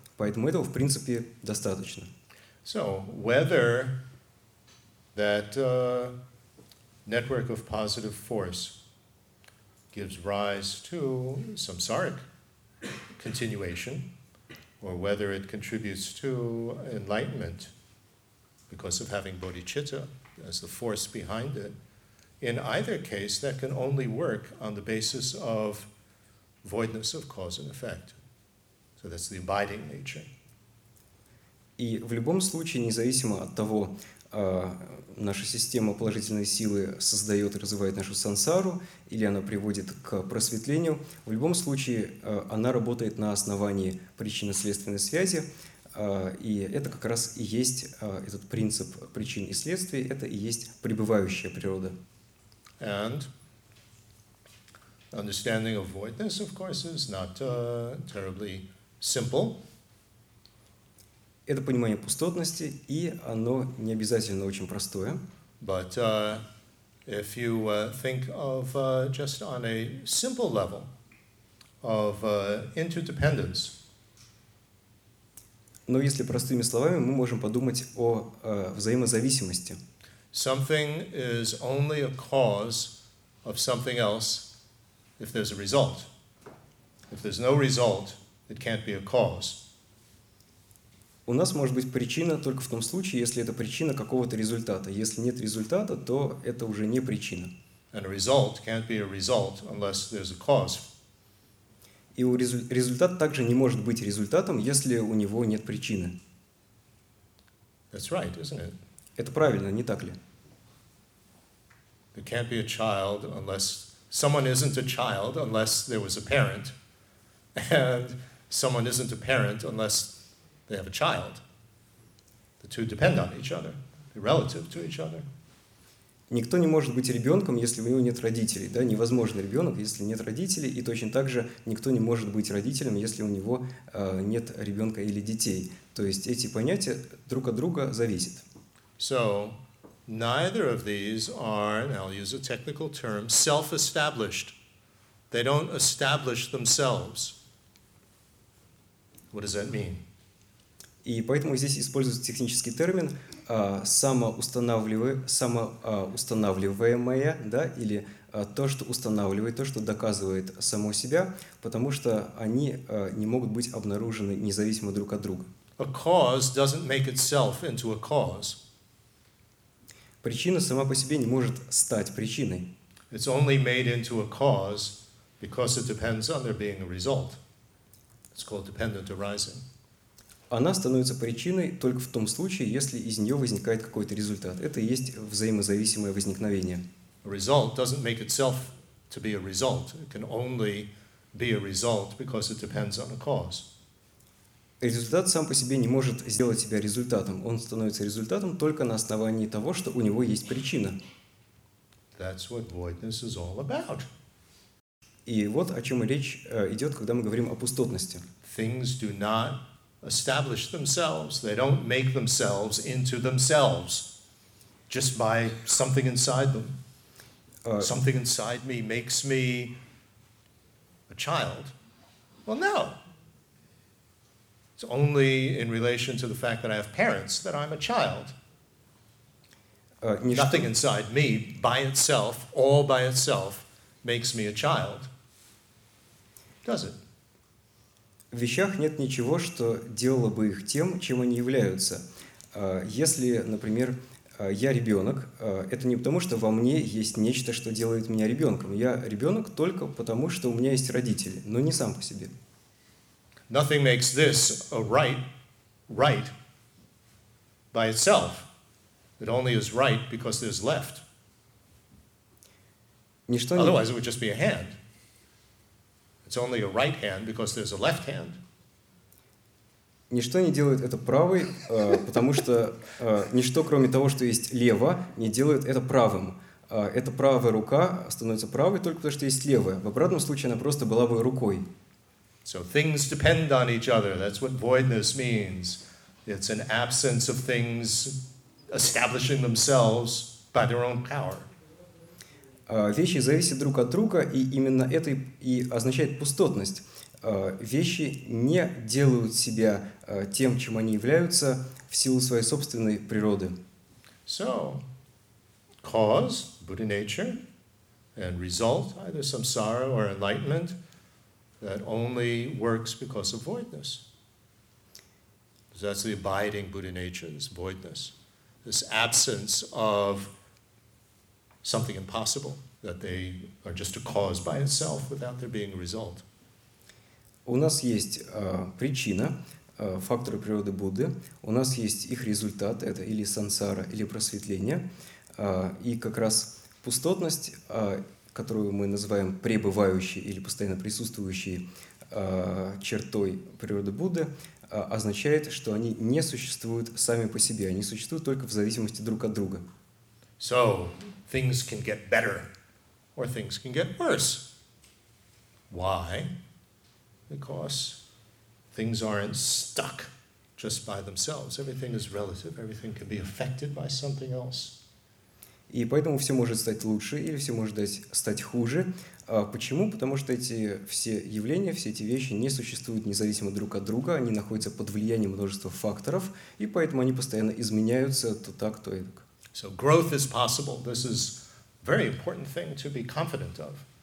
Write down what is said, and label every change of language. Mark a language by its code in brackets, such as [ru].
[ru] Поэтому этого, в принципе, достаточно. [en] So, whether that network of positive force gives rise to samsaric continuation, or whether it contributes to enlightenment because of having bodhicitta as the force behind it, in either case, that can only work on the basis of voidness of cause and effect. So that's the abiding nature. [ru] И в любом случае, независимо от того, наша система положительной силы создает и развивает нашу сансару, или она приводит к просветлению, в любом случае, она работает на основании причинно-следственной связи, и это как раз и есть этот принцип причин и следствий, это и есть пребывающая природа. [en] And understanding of voidness, of course, is not terribly simple. [ru] Это понимание пустотности, и оно не обязательно очень простое. [en] But if you think of just on a simple level of interdependence. [ru] Но если простыми словами, мы можем подумать о взаимозависимости. [en] Something is only a cause of something else if there's a result. If there's no result, it can't be a cause. [ru] У нас может быть причина только в том случае, если это причина какого-то результата. Если нет результата, то это уже не причина. [en] And a result can't be a result unless there's a cause. [ru] И результат также не может быть результатом, если у него нет причины. [en] That's right, isn't it? [ru] Это правильно, не так ли? [en] There can't be a child unless someone isn't a child unless there was a parent, and someone isn't a parent unless they have a child. The two depend on each other. They're relative to each other. [ru] Никто не может быть ребенком, если у него нет родителей, да? Невозможно ребенок, если нет родителей, и точно так же никто не может быть родителем, если у него нет ребенка или детей. То есть эти понятия друг от друга зависят. [en] So, neither of these are, and I'll use a technical term, self-established. They don't establish themselves. What does that mean? [ru] И поэтому здесь используется технический термин самоустанавливаемое, да, или то, что устанавливает, то, что доказывает само себя, потому что они не могут быть обнаружены независимо друг от друга. [en] A cause doesn't make itself into a cause. [ru] Причина сама по себе не может стать причиной. [en] It's only made into a cause because it depends on there being a result. It's called dependent arising. [ru] Она становится причиной только в том случае, если из нее возникает какой-то результат. Это и есть взаимозависимое возникновение. [en] A result doesn't make itself to be a result. It can only be a result because it depends on a cause. [ru] Результат сам по себе не может сделать себя результатом. Он становится результатом только на основании того, что у него есть причина. [en] That's what voidness is all about. [ru] И вот о чем речь идет, когда мы говорим о пустотности. [en] Things do not establish themselves. They don't make themselves into themselves just by something inside them. Something inside me makes me a child. Well, no. It's only in relation to the fact that I have parents that I'm a child. Nothing inside me by itself, all by itself, makes me a child. Does it? [ru] В вещах нет ничего, что делало бы их тем, чем они являются. Если, например, я ребенок, это не потому, что во мне есть нечто, что делает меня ребенком. Я ребенок только потому, что у меня есть родители, но не сам по себе. [en] Nothing makes this a right, right by itself. It only is right because there's left. [ru] Ничто не... [en] Otherwise, it would just be a hand. It's only a right hand because there's a left hand. [ru] Ничто не делает это правой, потому что ничто, кроме того, что есть лево, не делает это правым. Эта правая рука становится правой только потому, что есть левая. В обратном случае она просто была бы рукой. [en] So things depend on each other. That's what voidness means. It's an absence of things establishing themselves by their own power. [ru] Вещи зависят друг от друга, и именно это и означает пустотность. Вещи не делают себя тем, чем они являются, в силу своей собственной природы. [en] So, cause, Buddha nature, and result, either samsara or enlightenment, that only works because of voidness. Because that's the abiding Buddha nature, this voidness, this absence of something impossible, that they are just a cause by itself without there being a result. [ru] У нас есть причина, факторы природы Будды. У нас есть их результат, это или сансара, или просветление. И как раз пустотность, которую мы называем пребывающей или постоянно присутствующей чертой природы Будды, означает, что они не существуют сами по себе, они существуют только в зависимости друг от друга. [en] So, things can get better, or things can get worse. Why? Because things aren't stuck just by themselves. Everything is relative, everything can be affected by something else. [ru] И поэтому все может стать лучше или все может стать хуже. Почему? Потому что эти все явления, все эти вещи не существуют независимо друг от друга, они находятся под влиянием множества факторов, и поэтому они постоянно изменяются то так, то эдак. [en] So growth is possible. This is a very important thing to be confident of.